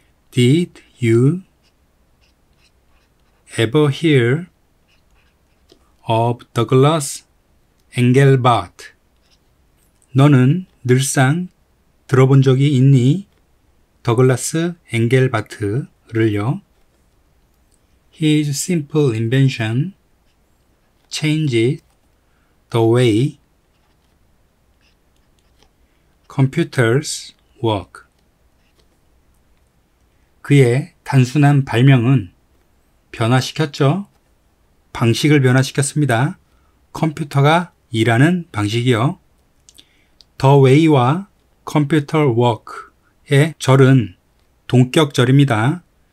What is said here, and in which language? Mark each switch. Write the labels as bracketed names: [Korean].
[English] Did you ever hear of Douglas Engelbart? [Korean] 너는 늘상 들어본 적이 있니? 더글라스 앵겔바트를요. [English] His simple invention changed the way computers work. [Korean] 그의 단순한 발명은 변화시켰죠. 방식을 변화시켰습니다. 컴퓨터가 일하는 방식이요. The way와 computer work의 절은 동격절입니다.